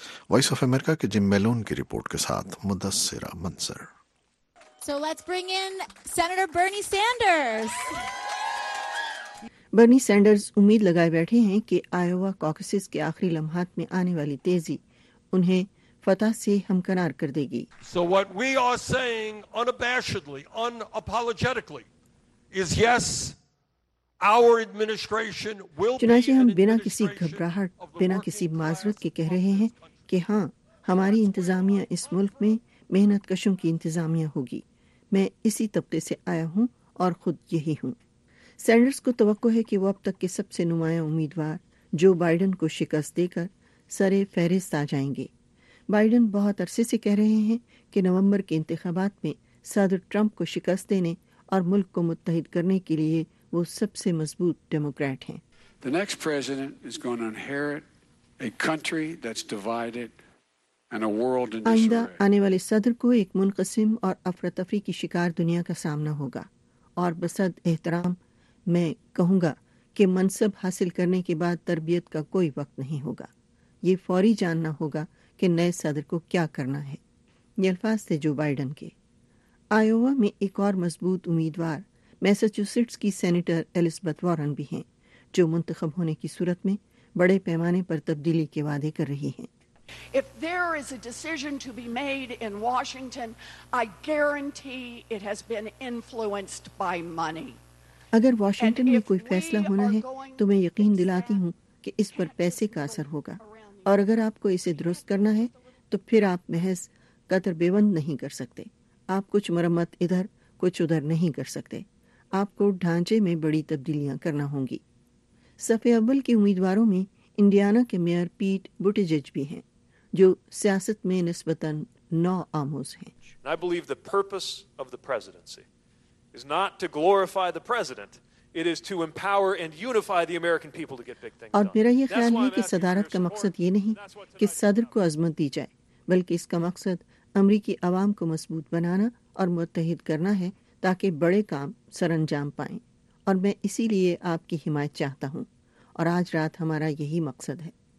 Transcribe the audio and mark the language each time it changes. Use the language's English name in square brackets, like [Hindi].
[Urdu] Voice of America کے جم میلون کی report کے ساتھ مدثرہ منصر. [English] So let's bring in Senator Bernie Sanders. [Urdu] Bernie senders امید لگائے بیٹھے ہیں کہ آیووا کوکسز کے آخری لمحات میں آنے والی تیزی انہیں فتح سے ہمکنار کر دے گی. [English] So what we are saying unabashedly, unapologetically, is yes, our administration will. [Urdu] چنانچہ ہم بنا کسی گھبراہٹ, بنا کسی معذرت کے کہہ رہے ہیں کہ ہاں, ہماری انتظامیہ اس ملک میں محنت کشوں کی انتظامیہ ہوگی. میں اسی طبقے سے آیا ہوں اور خود یہی ہوں. سینڈرز کو توقع ہے کہ وہ اب تک کے سب سے نمایاں امیدوار جو بائیڈن کو شکست دے کر سر فہرست آ جائیں گے. بائیڈن بہت عرصے سے کہہ رہے ہیں کہ نومبر کے انتخابات میں صدر ٹرمپ کو شکست دینے اور ملک کو متحد کرنے کے لیے وہ سب سے مضبوط ڈیموکریٹ ہیں. [English] The next president is going to inherit a country that's divided and a world in disarray. [Urdu] آئندہ آنے والے صدر کو ایک منقسم اور افراتفری کی شکار دنیا کا سامنا ہوگا, اور بصد احترام میں کہوں گا کہ منصب حاصل کرنے کے بعد تربیت کا کوئی وقت نہیں ہوگا. یہ فوری جاننا ہوگا کہ نئے صدر کو کیا کرنا ہے. یہ الفاظ تھے جو بائیڈن کے. آیووا میں ایک اور مضبوط امیدوار میساچوسٹس کی سینیٹر ایلزبتھ وارن بھی ہیں, جو منتخب ہونے کی صورت میں بڑے پیمانے پر تبدیلی کے وعدے کر رہی ہیں. [English] If there is a decision to be made in Washington, I guarantee it has been influenced by money. [Urdu] اگر واشنگٹن میں کوئی فیصلہ ہونا ہے تو میں یقین دلاتی ہوں کہ اس پر پیسے کا اثر ہوگا, اور اگر آپ کو اسے درست کرنا ہے تو پھر آپ محض قطر بیوند نہیں کر سکتے. آپ کچھ مرمت ادھر کچھ ادھر نہیں کر سکتے. آپ کو ڈھانچے میں بڑی تبدیلیاں کرنا ہوں گی. صف اول کے امیدواروں میں انڈیانا کے میئر پیٹ بوٹیجج بھی ہیں جو سیاست میں نسبتاً نو آموز ہیں. [English] I believe the purpose of the presidency is not to glorify the president, it is to empower and unify the American people to get big things done. [Urdu] اور میرا یہ خیال ہے کہ صدارت کا مقصد یہ نہیں کہ صدر کو عظمت دی جائے بلکہ اس کا مقصد امریکی عوام کو مضبوط بنانا اور متحد کرنا ہے تاکہ بڑے کام سر انجام پائیں, اور میں اسی لیے آپ کی حمایت چاہتا ہوں, اور آج رات ہمارا یہی مقصد ہے.